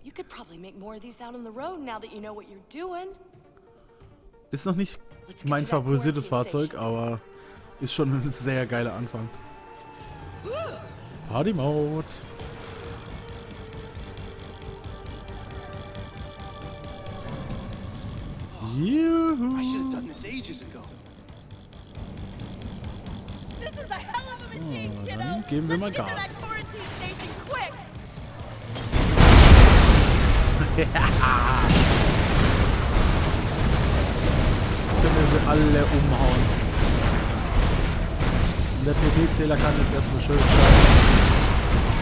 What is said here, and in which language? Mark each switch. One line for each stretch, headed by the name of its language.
English: You could probably make more of these out on the road now that you know what you're doing.
German: Ist noch nicht mein favorisiertes Fahrzeug, aber ist schon ein sehr geiler Anfang.
English: Party Mode.
German: Juhu.
English: I should have done this ages ago. This is a hell of a machine, kiddo.
German: Dann geben wir mal Gas.
English: Let's get to that quarantine station quick.
German: Jetzt können wir sie alle umhauen. Der PP-Zähler kann jetzt erstmal schön schalten.